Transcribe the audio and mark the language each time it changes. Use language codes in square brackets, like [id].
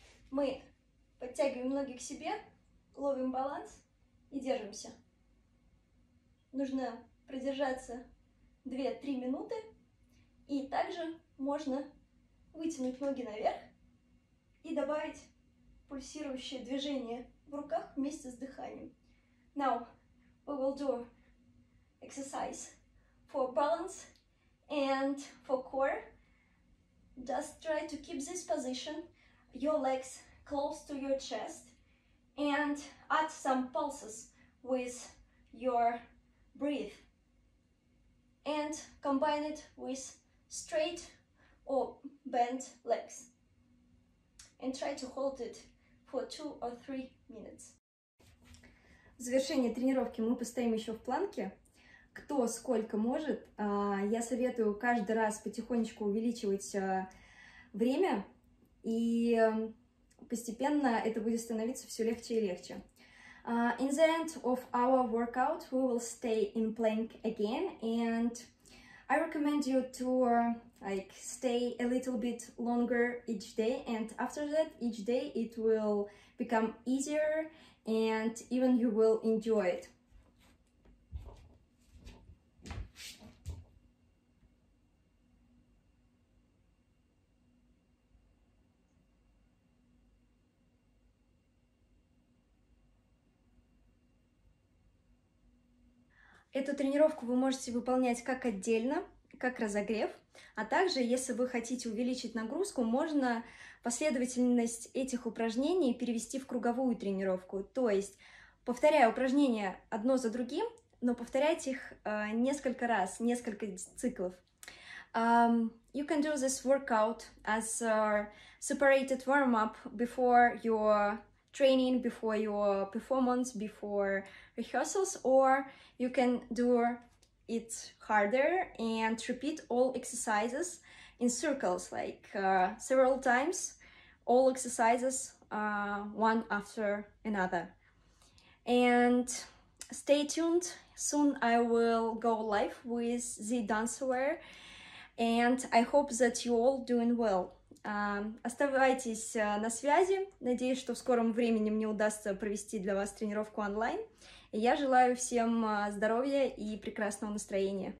[ru] Мы подтягиваем ноги к себе, ловим баланс и держимся. Нужно продержаться 2-3 минуты. И также можно вытянуть ноги наверх и добавить пульсирующее движение в руках вместе с дыханием. [en] Now we will do exercise for balance and for core. Just try to keep this position, your legs close to your chest, and add some pulses with your breath. And combine it with straight or bent legs. And try to hold it for 2 or 3 minutes. [ru] В завершение тренировки мы постоим еще в планке. Кто сколько может, я советую каждый раз потихонечку увеличивать время, и постепенно это будет становиться все легче и легче. [en] In the end of our workout, we will stay in plank again, and I recommend you to stay a little bit longer each day, and after that, each day it will become easier, and even you will enjoy it. [ru] Эту тренировку вы можете выполнять как отдельно, как разогрев, а также, если вы хотите увеличить нагрузку, можно последовательность этих упражнений перевести в круговую тренировку. То есть, повторяя упражнения одно за другим, но повторять их несколько раз, несколько циклов. [en] You can do this workout as a separated warm-up before your training, before your performance, before rehearsals, or you can do it harder and repeat all exercises in circles, like several times, all exercises one after another. And stay tuned, soon I will go live with the dancewear, and I hope that you all doing well. [ru] Оставайтесь на связи. Надеюсь, что в скором времени мне удастся провести для вас тренировку онлайн. И я желаю всем здоровья и прекрасного настроения.